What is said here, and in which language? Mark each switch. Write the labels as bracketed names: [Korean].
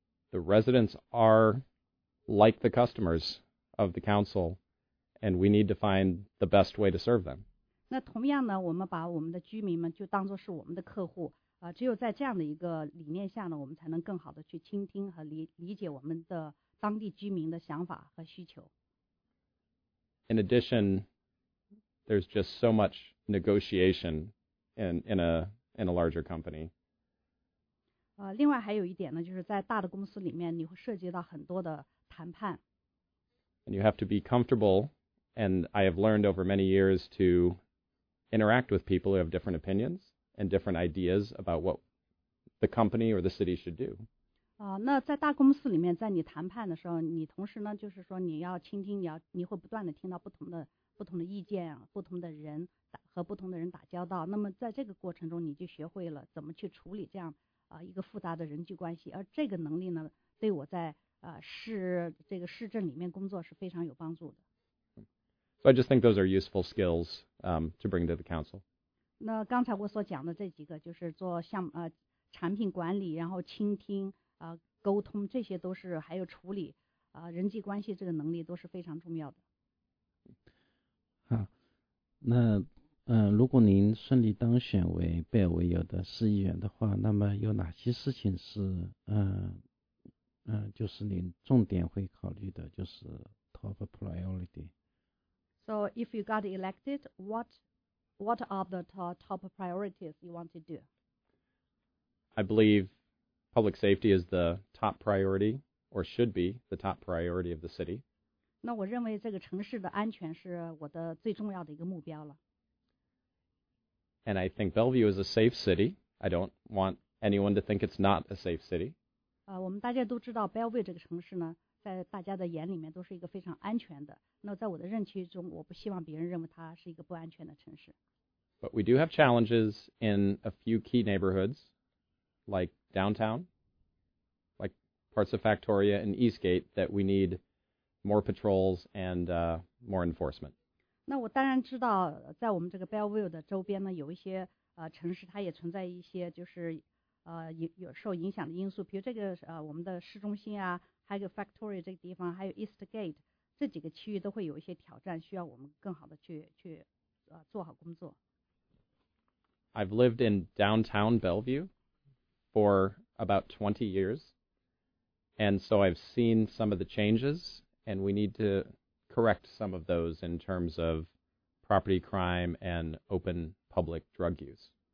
[English] The residents are like the customers of the council, and we need to find the best way to serve them. [Chinese] 那同样呢，我们把我们的居民们就当作是我们的客户。只有在这样的一个理念下呢，我们才能更好的去倾听和理解我们的当地居民的想法和需求。 [English] in addition, there's just so much negotiation in a larger company. [Chinese] 另外还有一点呢，就是在大的公司里面，你会涉及到很多的谈判。 [English] And you have to be comfortable, and I have learned over many years to interact with people who have different opinions and different ideas about what the company or the city should do. [Chinese] 那在大公司里面，在你谈判的时候，你同时呢，就是说你要倾听，你会不断的听到不同的意见，不同的人和不同的人打交道。那么在这个过程中，你就学会了怎么去处理这样一个复杂的人际关系。而这个能力呢，对我在这个市政里面工作是非常有帮助的。 [English] So I just think those are useful skills to bring to the council. [Chinese] 那刚才我所讲的这几个，就是做项目产品管理，然后倾听沟通，这些都是还有处理人际关系这个能力都是非常重要的。好，那如果您顺利当选为贝尔维尔的市议员的话，那么有哪些事情是就是您重点会考虑的，就是 top priority。 [English] So if you got elected, what are the top priorities you want to do? I believe public safety is the top priority, or should be the top priority of the city. [Chinese] 那我认为这个城市的安全是我的最重要的一个目标了。 [English] And I think Bellevue is a safe city. I don't want anyone to think it's not a safe city. [Chinese] 我们大家都知道 Bellevue 这个城市呢，在大家的眼里面都是一个非常安全的。那在我的任期中，我不希望别人认为它是一个不安全的城市。 [English] But we do have challenges in a few key neighborhoods, like downtown, like parts of Factoria and Eastgate, that we need more patrols and more enforcement. [Chinese] 那我当然知道，在我们这个 Bellevue 的周边呢，有一些城市它也存在一些就是有受影响的因素，比如这个我们的市中心啊，还有 Factoria 这个地方，还有 Eastgate。这几个区域都会有一些挑战，需要我们更好的去做好工作。 [English] I've lived in downtown Bellevue for about 20 years, and so I've seen some of the changes, and we need to correct some of those in terms of property crime and open public drug use.